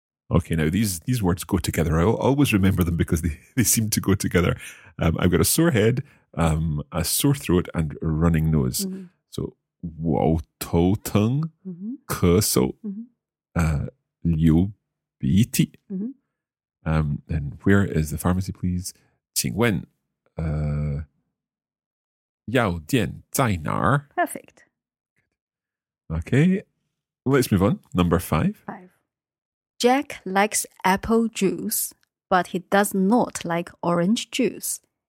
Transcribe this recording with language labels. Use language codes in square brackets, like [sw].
[en] Okay, now these words go together. I always remember them because they seem to go together. I've got a sore head, a sore throat, and a running nose. Mm-hmm. [zh] So, 我头疼，咳嗽，流鼻涕。 [en] And where is the pharmacy, please? [zh] 请问，药店在哪儿? [en] Perfect. Okay, let's move on. Number five. Jack likes apple juice, but he does not like orange juice.